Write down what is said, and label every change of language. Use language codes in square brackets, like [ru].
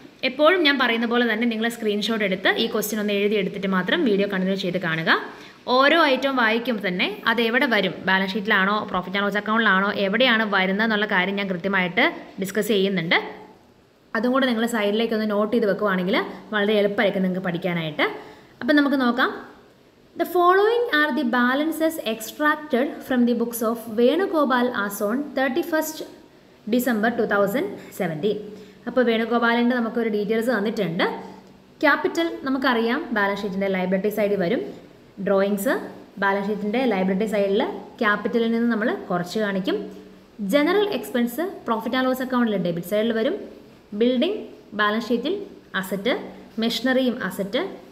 [ml] എപ്പോഴും ഞാൻ പറയുന്ന പോലെ തന്നെ നിങ്ങൾ സ്ക്രീൻഷോട്ട് എടുത്ത് ഈ ക്വസ്റ്റ്യൻ ഒന്ന് എഴുതിയെടുത്തിട്ട് മാത്രം വീഡിയോ കണ്ടിന്യൂ ചെയ്ത് കാണുക. ഓരോ ഐറ്റം വായിക്കുമ്പോൾ തന്നെ അത് എവിടെ വരും, ബാലൻസ് ഷീറ്റിലാണോ പ്രോഫിറ്റ് ആൻഡ് ലോസ് അക്കൗണ്ടിലാണോ എവിടെയാണ് വരുന്നത് എന്നുള്ള കാര്യം ഞാൻ കൃത്യമായിട്ട് ഡിസ്കസ് ചെയ്യുന്നുണ്ട്. അതും കൂടെ നിങ്ങൾ സൈഡിലേക്ക് ഒന്ന് നോട്ട് ചെയ്ത് വെക്കുവാണെങ്കിൽ വളരെ എളുപ്പമായിരിക്കും നിങ്ങൾക്ക് പഠിക്കാനായിട്ട്. അപ്പം നമുക്ക് നോക്കാം. [en] The following are the balances extracted from the books of Venugopal as on 31st December 2017. [ml] അപ്പോൾ വേണുഗോപാലിൻ്റെ നമുക്കൊരു ഡീറ്റെയിൽസ് തന്നിട്ടുണ്ട്. ക്യാപിറ്റൽ നമുക്കറിയാം, ബാലൻസ് ഷീറ്റിൻ്റെ ലൈബ്രറ്റി സൈഡിൽ വരും. ഡ്രോയിങ്സ് ബാലൻസ് ഷീറ്റിൻ്റെ ലൈബ്രറ്റി സൈഡിൽ ക്യാപിറ്റലിൽ നിന്ന് നമ്മൾ കുറച്ച് കാണിക്കും. General expense profit and loss അക്കൗണ്ടിൽ ഡെബിറ്റ് സൈഡിൽ വരും. ബിൽഡിംഗ് ബാലൻസ് ഷീറ്റിൽ അസറ്റ്, മെഷീനറിയും അസറ്റ്.